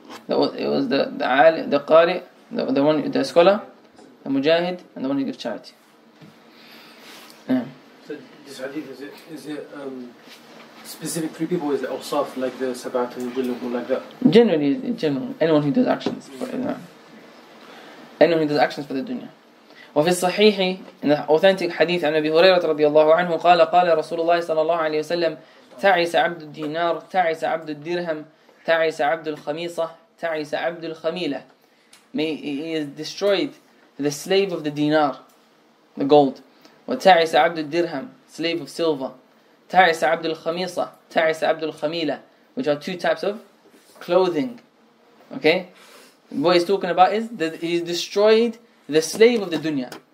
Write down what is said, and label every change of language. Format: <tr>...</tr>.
<en>It was the qari, the one, the scholar, the mujahid, and the one who gives charity. Yeah. So this hadith, is it specific three people, is it awsaf, like the sabat and will or like that? Generally, anyone who does actions for anyone who does actions for the dunya.</en> <ar>وفي الصحيح</ar> <en>in the authentic hadith</en> <ar>عن أبي هريرة رضي الله عنه قال رسول الله صلى الله عليه وسلم تعس عبد الدينار تعس عبد الدرهم تعس عبد الخميصة تعس عبد الخميلة.</ar> <en>He is destroyed, the slave of the dinar, the gold.</en> <ar>وتعس عبد الدرهم,</ar> <en>slave of silver.</en> <ar>تعس عبد الخميصة تعس عبد الخميلة,</ar> <en>which are two types of clothing. Okay, what he's talking about is that he's destroyed, the slave of the dunya.</en>